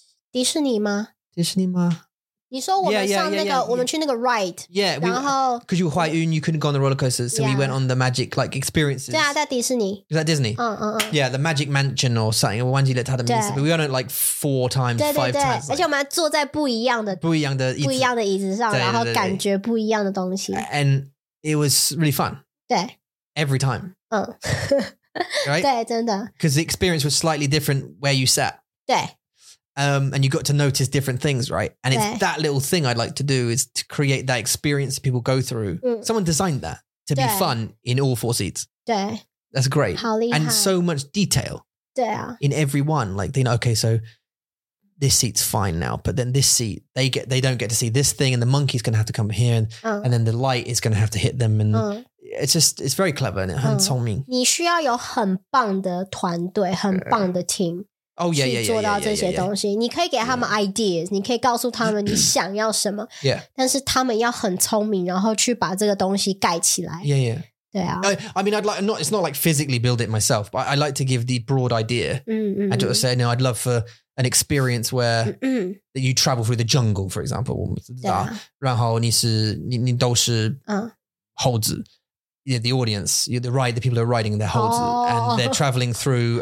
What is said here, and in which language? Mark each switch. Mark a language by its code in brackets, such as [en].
[zh] 迪士尼吗? 迪士尼吗? 你说我们上那个 我们去那个 ride [en] yeah, [zh] 然后 [en] Because you were Hawaiian, you couldn't go on the roller coasters, so we went on the magic like experiences. [zh] 对啊在迪士尼 [en] Is that Disney? 嗯嗯嗯 Yeah, the Magic Mansion or something, [zh] 我忘记了它的名字 [en] But we went on it like four times, [zh] 对对对 [en] five times. [zh] 而且我们还坐在不一样的不一样的椅子不一样的椅子上对对对对然后感觉不一样的东西 [en] And it was really fun. [zh] 对 [en] Every time. 嗯 Right? [zh] 对真的 [en] Because the experience was slightly different where you sat. [zh] 对 [en] And you got to notice different things, right? And it's that little thing I'd like to do is to create that experience people go through. Someone designed that to be fun in all four seats. That's great. And so much detail in every one. Like, you know, okay, so this seat's fine now, but then this seat, they don't get to see this thing and the monkey's going to have to come here and then the light is going to have to hit them. And it's just, it's very clever and it's [zh] 很聪明. 你需要有很棒的团队,很棒的 team. [en] 哦、oh, yeah, yeah, yeah, yeah, yeah, yeah, yeah, yeah. [zh] 做到这些东西，你可以给他们 ideas， 你可以告诉他们你想要什么。 [en] Yeah. [zh] 但是他们要很聪明，然后去把这个东西盖起来。 [en] Yeah, yeah. [zh] 对啊。 [en] I mean, I'd like not. It's not like physically build it myself, but I like to give the broad idea. 嗯嗯。 I just say, no, I'd love for an experience where that you travel through the jungle, for example. [zh] 对啊。然后你都是猴子。 [en] Yeah, the audience, the ride, the people who are riding, they're holds and they're traveling through.